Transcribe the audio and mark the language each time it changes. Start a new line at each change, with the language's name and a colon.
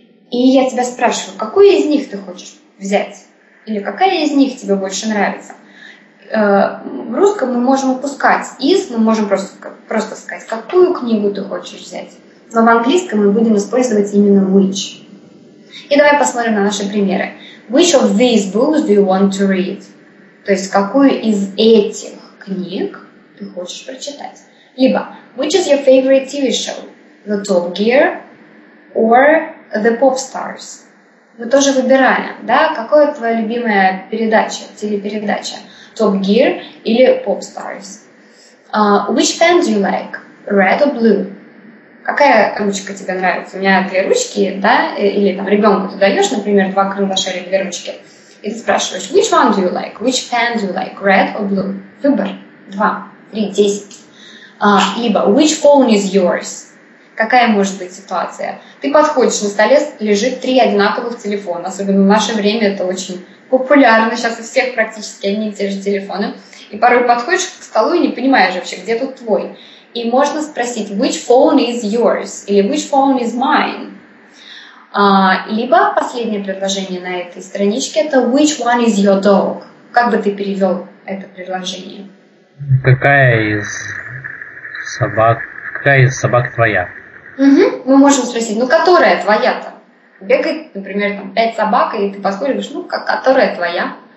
Russian: И я тебя спрашиваю, какую из них ты хочешь взять? Или какая из них тебе больше нравится? В русском мы можем упускать из, мы можем просто сказать, какую книгу ты хочешь взять. Но в английском мы будем использовать именно which. И давай посмотрим на наши примеры.
English: Which of these books do you want to read?
Russian: То есть, какую из этих книг ты хочешь прочитать?
English: Либо, which is your favorite TV show? The Top Gear or The Popstars?
Russian: Мы тоже выбираем, да, какая твоя любимая передача, телепередача, Top Gear или Popstars.
English: Which pen do you like, red or blue?
Russian: Какая ручка тебе нравится? У меня две ручки, да, или там ребенку ты даешь, например, два карандаша или две ручки, и ты спрашиваешь,
English: which one do you like, which pen do you like, red or blue?
Russian: Выбор, 2, 3, 10.
English: Либо, which phone is yours?
Russian: Какая может быть ситуация? Ты подходишь, на столе лежит 3 одинаковых телефона. Особенно в наше время это очень популярно. Сейчас у всех практически одни и те же телефоны. И порой подходишь к столу и не понимаешь вообще, где тут твой. И можно спросить,
English: which phone is yours?
Russian: Или
English: which phone is mine?
Russian: Либо последнее предложение на этой страничке, это
English: which one is your dog?
Russian: Как бы ты перевел это предложение? Какая из собак? Какая из собак твоя? Угу. Мы можем спросить, ну которая твоя-то? Бегает, например, там 5 собак, и ты посмотришь, ну которая твоя?